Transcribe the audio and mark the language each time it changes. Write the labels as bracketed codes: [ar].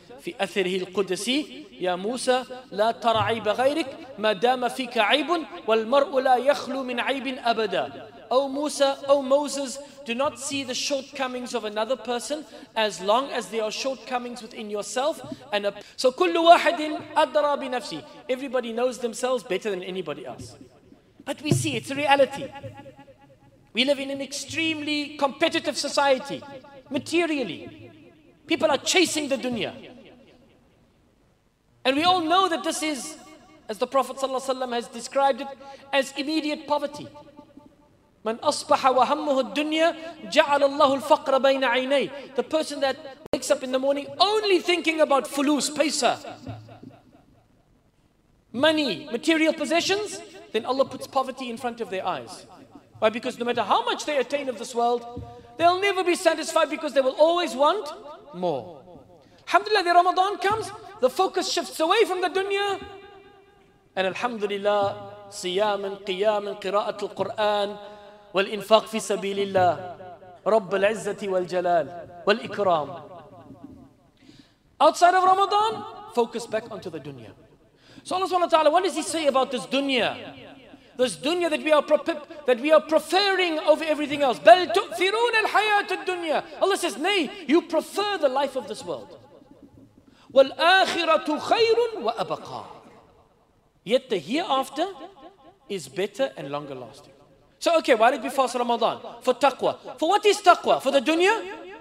[ar] في أثره القدسي يا موسى لا ترى عيب غيرك ما دام فيك عيب والمرء لا يخلو من عيب أبدا [en] O Musa, O Moses, do not see the shortcomings of another person as long as there are shortcomings within yourself. And so, [ar] كل واحد أدرى بنفسي. [en] Everybody knows themselves better than anybody else. But we see, it's a reality. We live in an extremely competitive society, materially. People are chasing the dunya. And we all know that this is, as the Prophet ﷺ has described it, as immediate poverty. [ar] من أصبح وهمه الدنيا جعل الله الفقر بين عينيه. [en] The person that wakes up in the morning only thinking about فلوس, paisa, money, material possessions, then Allah puts poverty in front of their eyes. Why? Because no matter how much they attain of this world, they'll never be satisfied because they will always want more. Alhamdulillah, the Ramadan comes, the focus shifts away from the dunya, and Alhamdulillah, [ar] صيام قيام قراءة القرآن والإنفاق في سبيل الله رب العزة والجلال والإكرام. [en] Outside of Ramadan, focus back onto the dunya. So Allah subhanahu wa ta'ala, what does He say about this dunya? This dunya that we are preferring over everything else. [ar] بل تؤثرون الحياة الدنيا. [en] Allah says, nay, you prefer the life of this world. [ar] والآخرة خير وأبقى. [en] Yet the hereafter is better and longer lasting. So okay, why did we fast Ramadan? For taqwa. For what is taqwa? For the dunya?